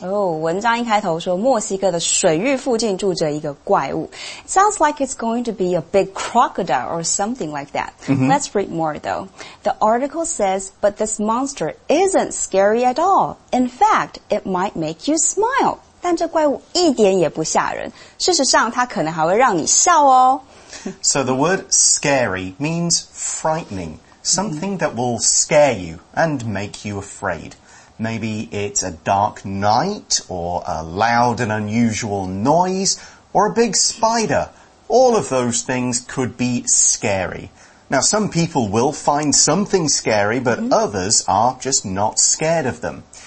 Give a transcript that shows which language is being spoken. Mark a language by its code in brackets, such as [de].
[zh] Oh, 文章一开头说墨西哥的水域附近住着一个怪物。 [en] It sounds like it's going to be a big crocodile or something like that. Mm-hmm. Let's read more though. The article says, but this monster isn't scary at all. In fact, it might make you smile. [zh] 但这怪物一点也不吓人。事实上它可能还会让你笑哦。 [en] So the word scary means frightening. Something that will scare you and make you afraid. Maybe it's a dark night, or a loud and unusual noise, or a big spider. All of those things could be scary. Now, some people will find something scary, but others are just not scared of them.